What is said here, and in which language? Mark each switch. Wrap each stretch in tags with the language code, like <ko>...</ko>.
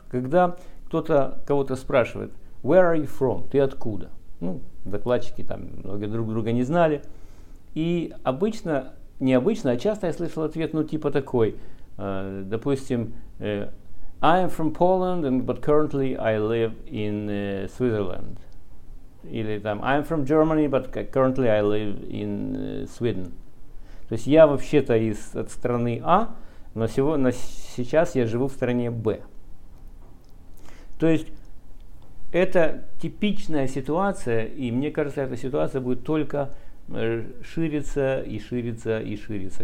<ru>Когда кто-то кого-то спрашивает,</ru> <en>where are you from?</en> <ru>Ты откуда? Ну, докладчики там многие друг друга не знали. И обычно необычно, а часто я слышал ответ, ну, типа такой, допустим,</ru> <en>I am from Poland, but currently I live in Switzerland.</en> <ru>Или там,</ru> <en>I am from Germany, but currently I live in Sweden.</en> <ru>То есть я вообще-то от страны А, но сейчас я живу в стране Б. То есть это типичная ситуация, и мне кажется, эта ситуация будет только ширится и ширится и ширится.</ru>